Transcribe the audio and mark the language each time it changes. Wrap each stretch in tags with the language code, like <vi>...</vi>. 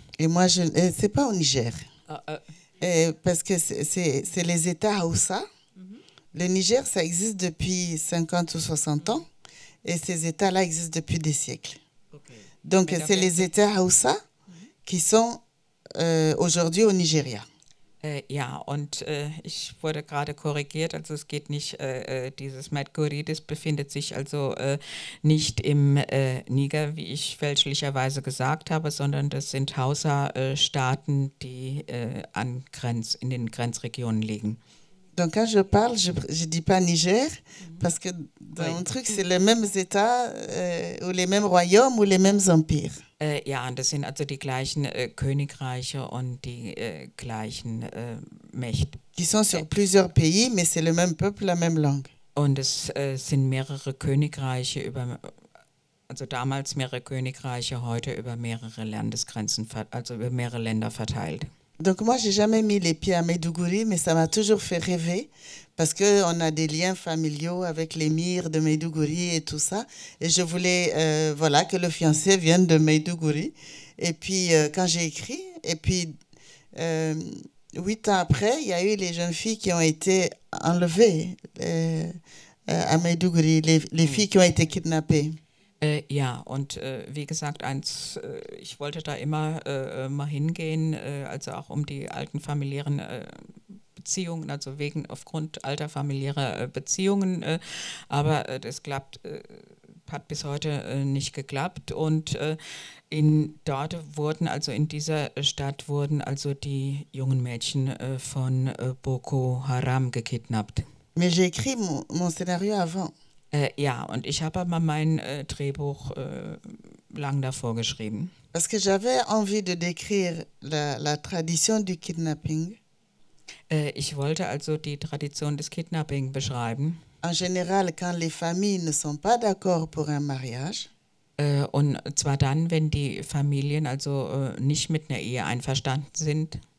<fr>Et moi, je ne sais pas au Niger. Parce que c'est les États Haoussa. Le Niger, ça existe depuis 50 ou 60 ans. Et ces États-là existent depuis des siècles. Okay. Donc, mais c'est les États Haoussa qui sont aujourd'hui au Nigeria.</fr> <de>Ja, und ich wurde gerade korrigiert, also es geht nicht, dieses Maiduguri, das befindet sich also nicht im Niger, wie ich fälschlicherweise gesagt habe, sondern das sind Hausa-Staaten, die in den Grenzregionen liegen.</de> <fr>Donc quand je parle, je dis pas Niger, parce que dans mon truc, c'est les mêmes États, ou les mêmes royaumes, ou les mêmes empires.</fr> <de>Ja, und das sind also die gleichen Königreiche und die gleichen Mächte.</de> <fr>Qui sont sur plusieurs pays, mais c'est le même peuple, la même langue.</fr> <de>Und es sind mehrere Königreiche über, also damals mehrere Königreiche, heute über mehrere Landesgrenzen, also über mehrere Länder verteilt.</de> <fr>Donc moi j'ai jamais mis les pieds à Maiduguri, mais ça m'a toujours fait rêver parce que on a des liens familiaux avec l'émir de Maiduguri et tout ça. Et je voulais voilà que le fiancé vienne de Maiduguri. Et puis quand j'ai écrit, et puis 8 ans après, il y a eu les jeunes filles qui ont été enlevées à Maiduguri, les filles qui ont été kidnappées.</fr> <de>Ja, und wie gesagt, ich wollte da immer mal hingehen, also auch um die alten familiären Beziehungen, also aufgrund alter familiärer Beziehungen, aber das klappt, hat bis heute nicht geklappt. Und dort wurden, also in dieser Stadt wurden also die jungen Mädchen von Boko Haram gekidnappt.</de> <fr>Mais j'ai écrit mon scénario avant.</fr> <de>Ja, und ich habe aber mein Drehbuch lang davor geschrieben.</de> <fr>Parce que j'avais envie de décrire la tradition du kidnapping.</fr> <de>Ich wollte also die Tradition des Kidnapping beschreiben.</de> <fr>En général, quand les familles ne sont pas d'accord pour un mariage.</fr> <de>Und zwar dann, wenn die Familien also nicht mit einer Ehe einverstanden sind.</de>